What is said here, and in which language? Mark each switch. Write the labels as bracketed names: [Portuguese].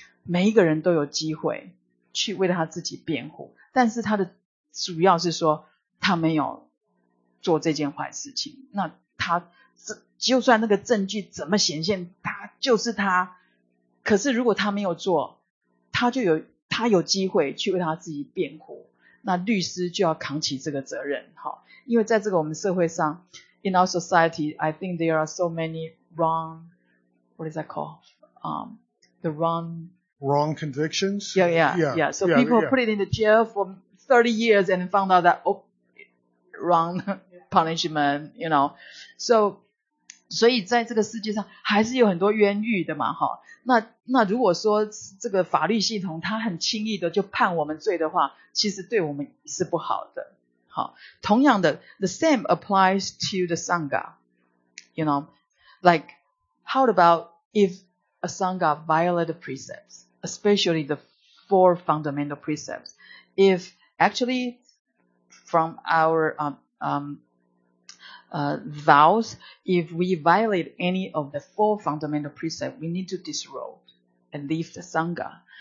[Chinese] 每一个人都有机会去为他自己辩护，但是他的主要是说他没有做这件坏事情，那他就算那个证据怎么显现他就是他，可是如果他没有做，他就有他有机会去为他自己辩护，那律师就要扛起这个责任。因为在这个我们社会上 [English] In our society I think there are so many wrong What is that called? The wrong convictions? Yeah. So yeah, people put it in the jail for 30 years and found out that, wrong punishment, you know. [Chinese] So, 所以在这个世界上还是有很多冤狱的嘛，哈。那如果说这个法律系统它很轻易的就判我们罪的话，其实对我们是不好的。好，同样的 [English] ,the same applies to the Sangha. You know, like, how about if a Sangha violated precepts? Especially the four fundamental precepts. If actually from our vows, if we violate any of the four fundamental precepts, we need to disrobe and leave the Sangha.